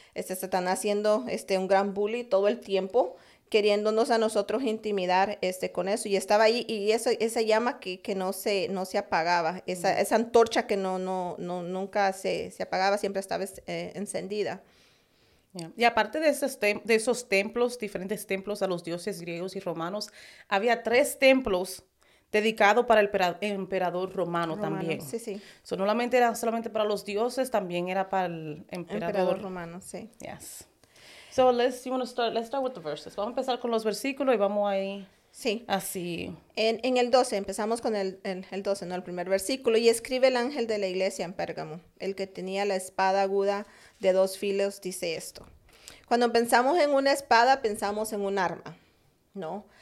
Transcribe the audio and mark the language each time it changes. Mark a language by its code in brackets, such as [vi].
[es] Satanás siendo un gran bully todo el tiempo, queriéndonos a nosotros intimidar con eso. Y estaba ahí, y esa llama que no se apagaba, esa antorcha que nunca se apagaba, siempre estaba encendida. Yeah. Y aparte de esos templos, diferentes templos a los dioses griegos y romanos, había tres templos dedicados para el emperador romano también. Sí, sí. So, no solamente era solamente para los dioses, también era para el emperador romano, sí. [en] Yes. So let's start with the verses. [es] Vamos a empezar con los versículos y vamos ahí. Sí. Así. En el 12, empezamos con el 12, ¿no? El primer versículo. Y escribe el ángel de la iglesia en Pérgamo, el que tenía la espada aguda de dos filos, dice esto. Cuando pensamos en una espada, pensamos en un arma, ¿no?